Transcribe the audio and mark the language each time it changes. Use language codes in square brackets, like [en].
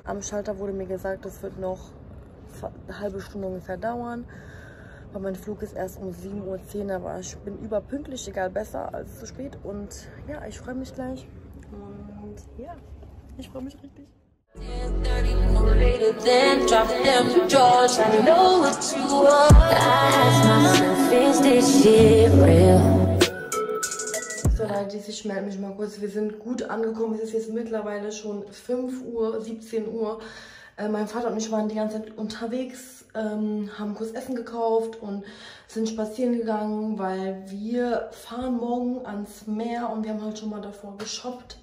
[de] Am Schalter wurde mir gesagt, es wird noch eine halbe Stunde ungefähr dauern, weil mein Flug ist erst um 7.10 Uhr, aber ich bin überpünktlich, egal, besser als zu spät. Und ja, ich freue mich gleich und ja, ich freue mich richtig. [en] Then drop them jaws. I know what you are. I ask myself, is this shit real? [de] Ich melde mich mal kurz. Wir sind gut angekommen. Es ist jetzt mittlerweile schon 5 Uhr, 17 Uhr. Mein Vater und ich waren die ganze Zeit unterwegs, haben kurz Essen gekauft und sind spazieren gegangen, weil wir fahren morgen ans Meer und wir haben halt schon mal davor geshoppt.